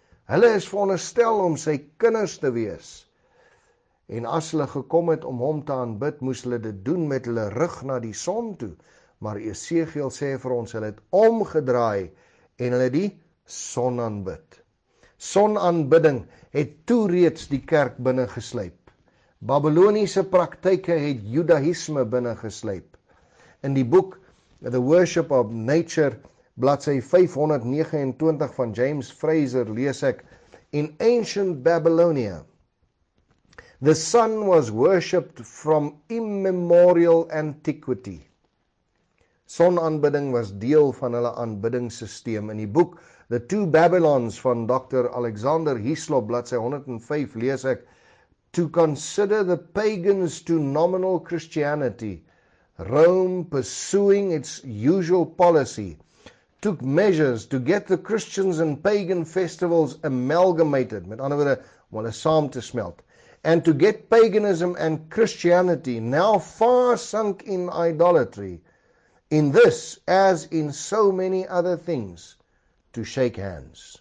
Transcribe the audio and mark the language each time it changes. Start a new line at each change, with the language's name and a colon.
Afrikaans: Hulle is veronderstel om sy kinders te wees. En as hulle gekom het om hom te aanbid, moes hulle dit doen met hulle rug na die son toe. Maar Jesegiel sê vir ons, hulle het omgedraai en hulle die son aanbid. Sonaanbidding het toe reeds die kerk binne gesluip. Babyloniese praktyke het judaïsme binne gesluip. In die boek The Worship of Nature, bladsy 529 van James Frazer, lees ek,
English: in ancient Babylonia, the sun was worshipped from immemorial antiquity.
Afrikaans: Sonaanbidding was deel van hulle aanbiddingssysteem. In die boek The Two Babylons van Dr.
English: Alexander Hislop,
Afrikaans: bladsy 105, lees ek,
English: to consider the pagans to nominal Christianity, Rome, pursuing its usual policy, took measures to get the Christians and pagan festivals amalgamated,
Afrikaans: met ander woorde, om hulle saam te smelt,
English: and to get paganism and Christianity, now far sunk in idolatry, in this, as in so many other things, to shake hands.